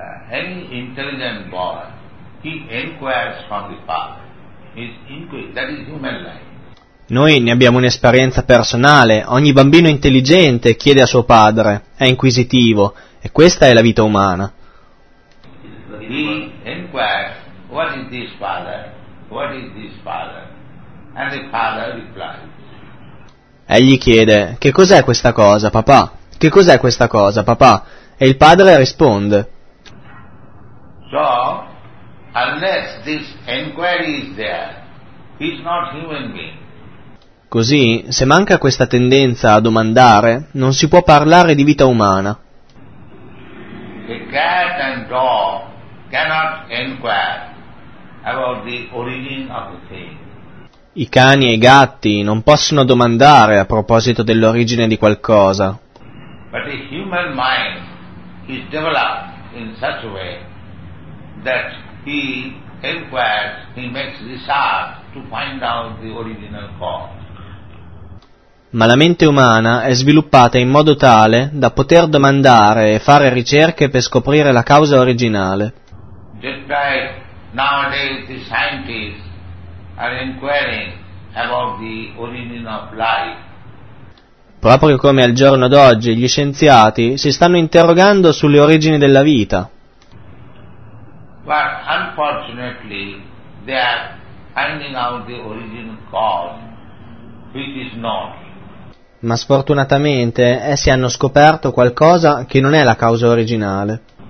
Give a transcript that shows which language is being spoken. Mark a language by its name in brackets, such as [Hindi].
[English] Any intelligent boy, he inquires from the father. That is human life. [Italian] Noi ne abbiamo un'esperienza personale. Ogni bambino intelligente chiede a suo padre, è inquisitivo, e questa è la vita umana. [English] he inquired, what is this father? What is this father? And the father replied. [Italian] Egli chiede, che cos'è questa cosa, papà? Che cos'è questa cosa, papà? E il padre risponde. [English] So, unless this inquiry is there, he's not human being. [Italian] Così, se manca questa tendenza a domandare, non si può parlare di vita umana. [English] A cat and dog cannot inquire about the origin of the thing. [Italian] I cani e i gatti non possono domandare a proposito dell'origine di qualcosa. [English] But the human mind is developed in such a way that he inquires, he makes research to find out the original cause. [Italian] Ma la mente umana è sviluppata in modo tale da poter domandare e fare ricerche per scoprire la causa originale. [English] Just like nowadays the scientists are inquiring about the origin of life. [Italian] Proprio come al giorno d'oggi gli scienziati si stanno interrogando sulle origini della vita. [English] But unfortunately they are finding out the original cause, which is not. [Italian] Ma sfortunatamente essi hanno scoperto qualcosa che non è la causa originale.